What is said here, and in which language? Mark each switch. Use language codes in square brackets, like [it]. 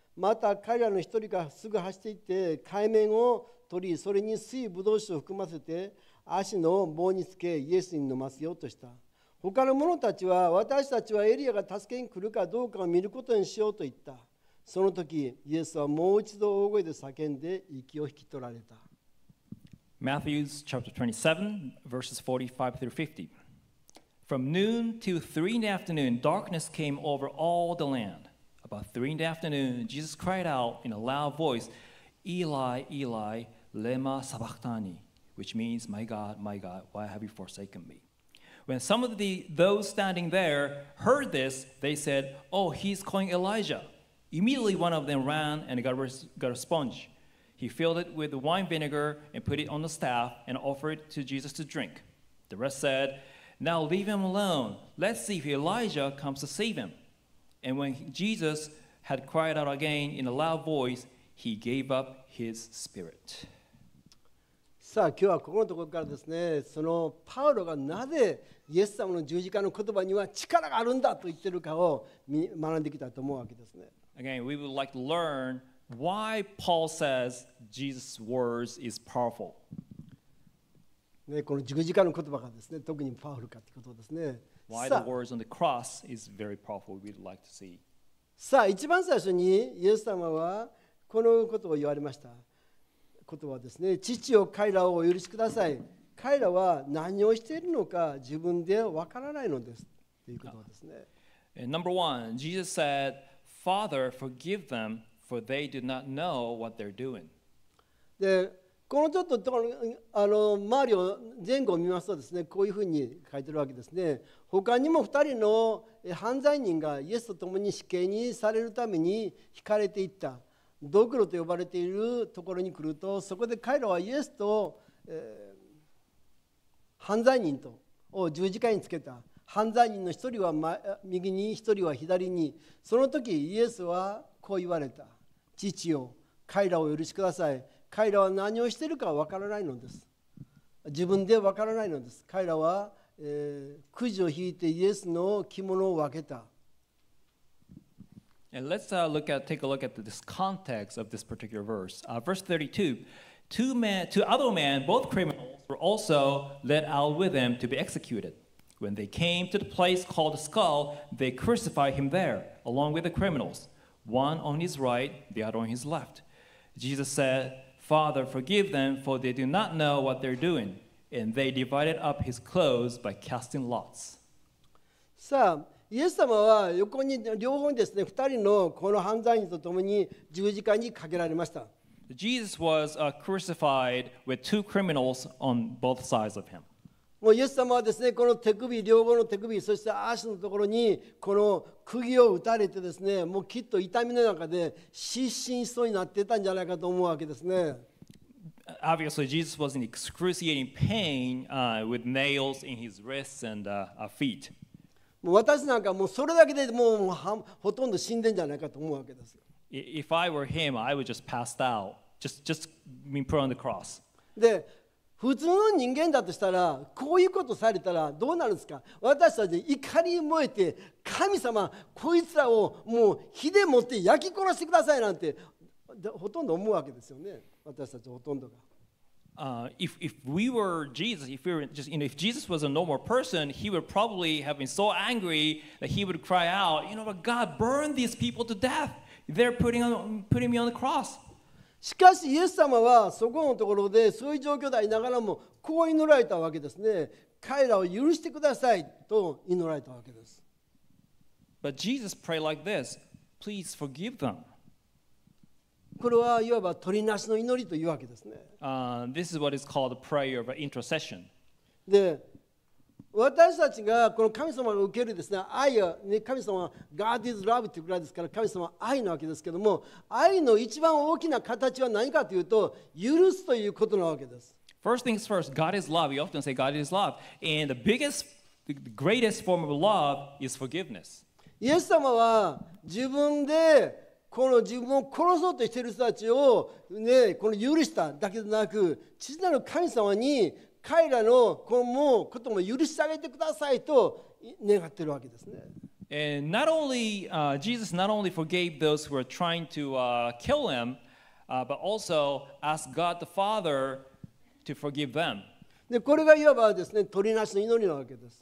[ja] また彼らの一人がすぐ走っていって海面を取りそれに水ぶどう酒を含ませて足の棒につけイエスに飲ませようとした。他の者たちは私たちはエリアが助けに来るかどうかを見ることにしようと言った。その時イエスはもう一度大声で叫んで息を引き取られた。 [en] Matthew chapter 27, verses 45 through 50. From noon till 3 in the afternoon, darkness came over all the land. About 3 in the afternoon, Jesus cried out in a loud voice, [arc] Eli, Eli, lema sabachthani, [en] which means, my God, why have you forsaken me? When some of those standing there heard this, they said, oh, he's calling Elijah. Immediately one of them ran and got a sponge. He filled it with wine vinegar and put it on the staff and offered it to Jesus to drink. The rest said, now leave him alone. Let's see if Elijah comes to save him. And when Jesus had cried out again in a loud voice, he gave up his spirit. [ja] さあ、今日はここのところからですね、そのパウロがなぜイエス様の十字架の言葉には力があるんだと言ってるかを学んできたと思うわけですね。 [en] Again, we would like to learn why Paul says Jesus' words is powerful. [ja] ね、この十字架の言葉がですね、特にパウロかってことですね。 [en] Why the words on the cross is very powerful, we would like to see. [ja] さあ、一番最初にイエス様はこのことを言われました。ことはですね、父よ彼らをお許しください、彼らは何をしているのか自分でわからないのですということですね。 [en] Number one, Jesus said, Father, forgive them, for they do not know what they're doing. [ja] で、このちょっと周りを前後を見ますとですね、こういうふうに書いてるわけですね。他にも2人の犯罪人がイエスと共に死刑にされるために引かれていった。ドクロと呼ばれているところに来るとそこで彼らはイエスと、犯罪人とを十字架につけた。犯罪人の一人は右に一人は左に。その時イエスはこう言われた。父よ彼らを許しください、彼らは何をしているかわからないのです、自分でわからないのです。彼らは、くじを引いてイエスの着物を分けた。 [en] And let's take a look at this context of this particular verse. Verse 32, two other men, both criminals, were also led out with them to be executed. When they came to the place called the skull, they crucified him there, along with the criminals, one on his right, the other on his left. Jesus said, Father, forgive them, for they do not know what they're doing. And they divided up his clothes by casting lots. [ja] So, イエス様は横に両方にですね、2人のこの犯罪人と共に十字架にかけられました。 [en] Jesus was crucified with two criminals on both sides of him. [ja] もうイエス様はですね、この手首、両方の手首、そして足のところにこの釘を打たれてですね、もうきっと痛みの中で失神しそうになってたんじゃないかと思うわけですね。 [en] Obviously, Jesus was in excruciating pain with nails in his wrists and feet. [ja] 私なんかもうそれだけでもうほとんど死んでんじゃないかと思うわけですよ。 [en] If I were him, I would just pass out. Just be put on the cross. [ja] で、普通の人間だとしたら、こういうことされたらどうなるんですか？私たち怒りに燃えて、神様、こいつらをもう火で持って焼き殺してくださいなんて、ほとんど思うわけですよね、私たちほとんどが。 [en] if we were Jesus, if we were just, you know, if Jesus was a normal person, he would probably have been so angry that he would cry out, you know, but God, burn these people to death. They're putting me on the cross. [ja] しかしイエス様はそこのところでそういう状況でありながらもこう祈られたわけですね。彼らを許してくださいと祈られたわけです。 [en] But Jesus prayed like this, please forgive them. [ja] これはいわば取りなしの祈りというわけですね。 [en] This is what is called a prayer of intercession. [ja] で、私たちがこの神様が受けるですね、愛は、ね、神様は [en] God is love [ja] というくらいですから、神様は愛なわけですけども、愛の一番大きな形は何かというと、許すということなわけです。 [en] First things first, God is love. We often say God is love. And the biggest, the greatest form of love is forgiveness. [ja] イエス様は自分でこの自分を殺そうとしている人たちを、ね、この許しただけでなく、父なる神様に彼らのこのもうことも許してあげてくださいと願っているわけですね。 [en] And not only, Jesus not only forgave those who were trying to kill him, but also asked God the Father to forgive them. [ja] でこれがいわばですね、取りなしの祈りなわけです。